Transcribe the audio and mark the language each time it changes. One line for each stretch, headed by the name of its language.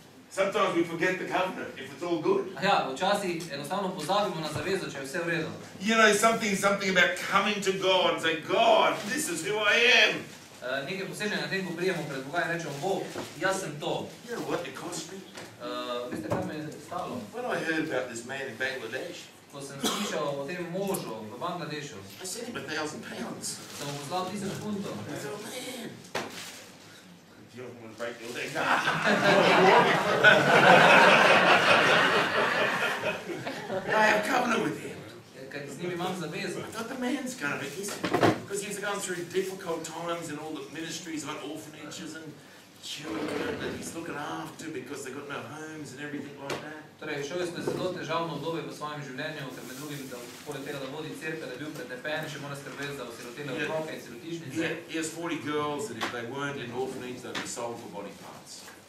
English: Sometimes we forget the covenant if it's all good.
Slovenian: Ja, včasih enostavno pozabimo na zavezo, če je vse v redu.
English: You know, something about coming to God and say, God, this is who I am.
Slovenian: Nekaj posebnega na tem, ko prijemo pred Boga in rečemo, Bog, jaz sem to.
English: You know what it cost me?
Slovenian: Veste, kaj me je stalo?
English: When I heard about this man in Bangladesh,
Slovenian: ko sem slišal o tem možu v Bangladešu,
English: I sent him £1,000.
Slovenian: Sem mu poslal 1000 funtov.
English: I said, oh man, you don't want to break your leg. Ah! I have covenant with him.
Slovenian: Kaj njimi imam zavezo.
English: But the man's kind of easy, because he's gone through difficult times and all the ministries about orphanages and children that he's looking after because they got no homes and everything like that.
Slovenian: Torej, šel je skozi zelo težavno obdobje v svojem življenju, ker med drugim, da poleg tega, da vodi cerkev, da je bil pretepen, še mora skrbeti za osirotele otroke in sirotišnice.
English: He has 40 girls that if they weren't in orphanage, they'd be sold for body parts.